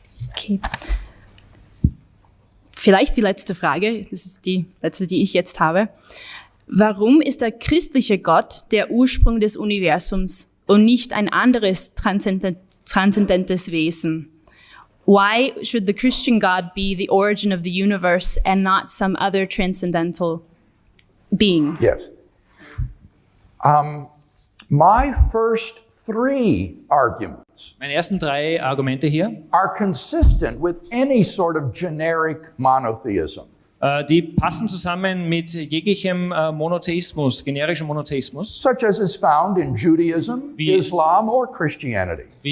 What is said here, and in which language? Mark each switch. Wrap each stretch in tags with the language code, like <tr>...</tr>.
<de>Okay. Vielleicht die letzte Frage, das ist die letzte, die ich jetzt habe. Warum ist der christliche Gott der Ursprung des Universums? Und nicht ein anderes transzendentes Wesen.</de> <en>Why should the Christian God be the origin of the universe and not some other transcendental being? Yes. My first three arguments.</en> <de>Meine ersten drei Argumente hier.</de> <en>Are consistent with any sort of generic monotheism.</en> <de>Die passen zusammen mit jeglichem Monotheismus, generischem Monotheismus.</de> <en>Such as is found in Judaism, Islam or Christianity.</en>